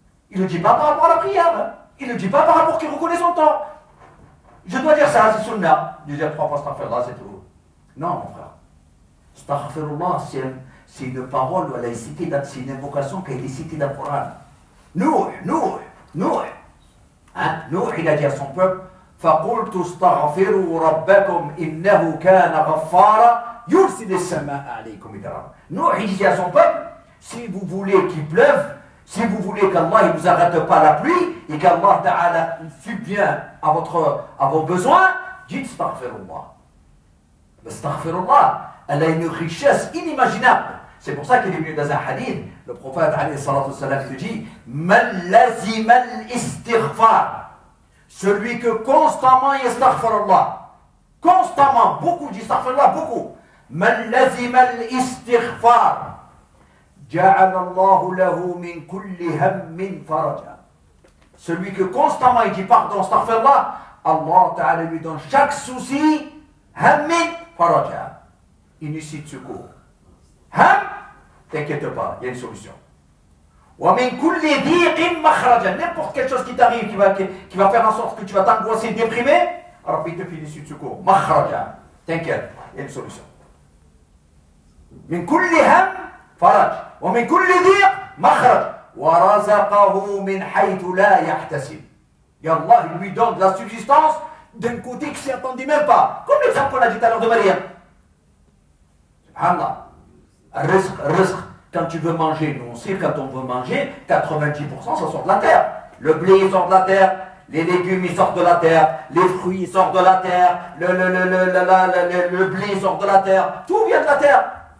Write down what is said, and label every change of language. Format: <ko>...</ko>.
<fr>Il ne le dit pas par rapport à la prière. Il ne le dit pas par rapport qu'il reconnaît son temps. Je dois dire ça, c'est sunnah. Je dis trois fois astaghfirullah, c'est tout. Non, mon frère. Astaghfirullah, c'est une parole, elle est citée, c'est une invocation qui est citée dans le Coran. Nous. Hein? Nous, il a dit à son peuple,</fr> <ar>فَقُلْتُ اسْتَغْفِرُوا رَبَّكُمْ إِنَّهُ كَانَ غَفَّارًا يُرْسِلِ السَّمَاءَ عَلَيْكُمْ مِدْرَارًا.</ar> <fr>Nous, il dit à son peuple, si vous voulez qu'il pleuve, si vous voulez qu'Allah ne vous arrête pas la pluie et qu'Allah Ta'ala fût bien à vos besoins, dites</fr> <ar>استغفر الله. استغفر الله,</ar> <fr>elle a une richesse inimaginable. C'est pour ça qu'il est mieux dans un hadith, le prophète alayhi salatu salam te dit</fr> <ar>Man lazim al-istighfar.</ar> <fr>Celui que constamment yastaghfir Allah. Constamment, beaucoup j'istaghfir Allah, beaucoup.</fr> <ar>Man lazim al-istighfar. جعل الله له من كل هم فرجا.</ar> <fr>Celui que constamment il dit pardon, astaghfirullah, Allah Ta'ala lui donne chaque souci,</fr> <ar>hem faraja.</ar> <fr>Initie de secours. Hem, t'inquiète pas, il y a une solution.</fr> <ar>ومن كل ضيق مخرجا.</ar> <fr>N'importe quelle chose qui t'arrive, qui va faire en sorte que tu vas t'angoisser, déprimer, Rabbi te fait une initie de secours. Mahraja. T'inquiète, il y a une solution.</fr> <ar>من كل هم فرج. ومن كل ضيق مخرج ورزقه من حيث لا يحتسب. يا الله</ar> <fr>lui donne la subsistance d'un côté qui s'y attendait même pas. Comme l'exemple qu'on a dit à l'heure de Maryam. Subhanallah. Rizq, rizq. Quand tu veux manger, nous on sait quand on veut manger, 90% ça sort de la terre. Le blé il sort de la terre, les légumes ils sortent de la terre, les fruits ils sortent de la terre, le blé il sort de la terre, tout vient de la terre.</fr>